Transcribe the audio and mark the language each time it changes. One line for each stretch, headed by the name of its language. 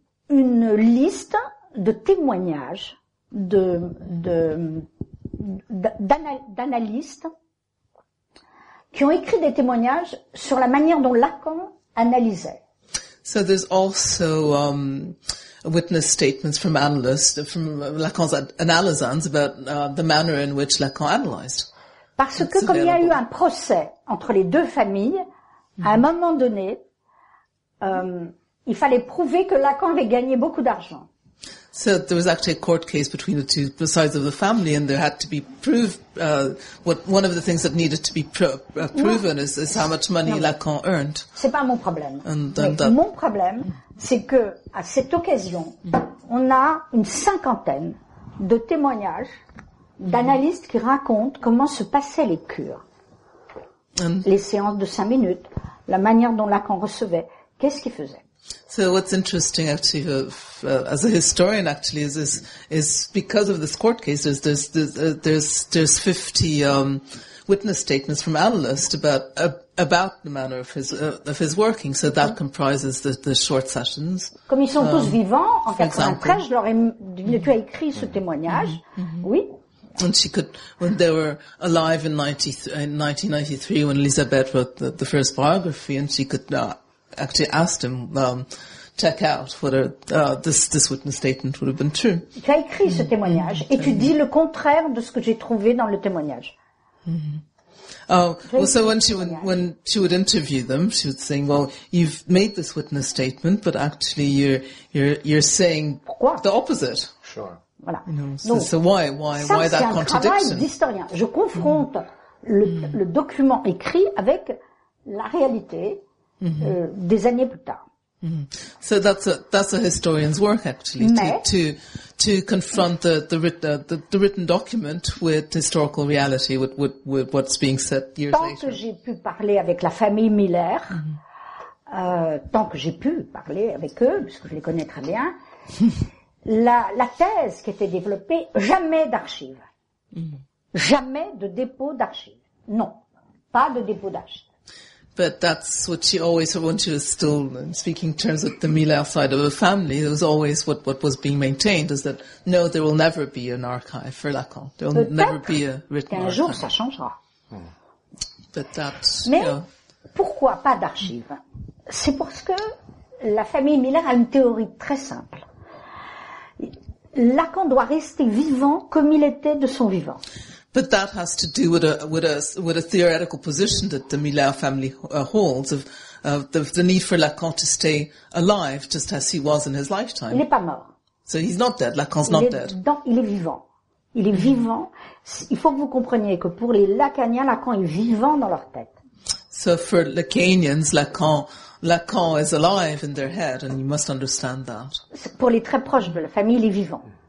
French: Une liste de témoignages d'analystes qui ont écrit des témoignages sur la manière dont Lacan analysait.
English: So there's also witness statements from analysts, from Lacan's analysands about the manner in which Lacan analyzed.
French: Parce que comme il y a eu un procès entre les deux familles, à un moment donné, il fallait prouver que Lacan avait gagné beaucoup d'argent.
English: So there was actually a court case between the two sides of the family, and there had to be proved what one of the things that needed to be proven is how much money Lacan earned.
French: C'est pas mon problème. Mon problème, c'est que à cette occasion, on a une cinquantaine de témoignages d'analystes qui racontent comment se passaient les cures, les séances de 5 minutes, la manière dont Lacan recevait, qu'est-ce qu'il faisait.
English: So what's interesting actually as a historian actually is because of this court case there's 50 witness statements from analysts about the manner of his working, so that comprises the short sessions.
French: Comme ils sont tous vivants, en 93, tu as écrit ce témoignage. Oui,
English: And she could, when they were alive in 1993, when Elisabeth wrote the first biography, and she could actually ask him, check out whether this witness statement would have been true.
French: Tu as écrit ce témoignage et tu dis le contraire de ce que j'ai trouvé dans le témoignage.
English: So when she would interview them, she would say, "Well, you've made this witness statement, but actually you're saying
French: pourquoi?
English: The opposite." Sure.
French: Voilà.
English: So why that contradiction?
French: Ça, c'est un travail d'historien. Je confronte le document écrit avec la réalité des années plus tard.
English: So that's a historian's work, actually, to confront the written document with historical reality, with what's being said years
French: tant
English: later.
French: Tant que j'ai pu parler avec la famille Miller, tant que j'ai pu parler avec eux, parce que je les connais très bien, la thèse qui était développée, jamais d'archives. Jamais de dépôt d'archives. Non, pas de dépôt d'archives.
English: But that's what she always, when she was still speaking in terms of the Miller side of the family, it was always what was being maintained, is that, no, there will never be an archive for Lacan. There will
French: peut-être
English: never be a written
French: qu'un
English: archive.
French: Jour, ça changera.
English: But that's,
French: mais
English: you know,
French: pourquoi pas d'archives? C'est parce que la famille Miller a une théorie très simple. Lacan doit rester vivant comme il était de son vivant.
English: But that has to do with a theoretical position that the Miller family holds of the need for Lacan to stay alive just as he was in his lifetime.
French: Il n'est pas mort.
English: So he's not dead. Lacan's not dead.
French: Il est vivant. Il est vivant. Il faut que vous compreniez que pour les Lacaniens, Lacan est vivant dans leur tête.
English: So for Lacanians, Lacan is alive in their head, and you must understand that.
French: Pour les très proches de la famille, il est vivant.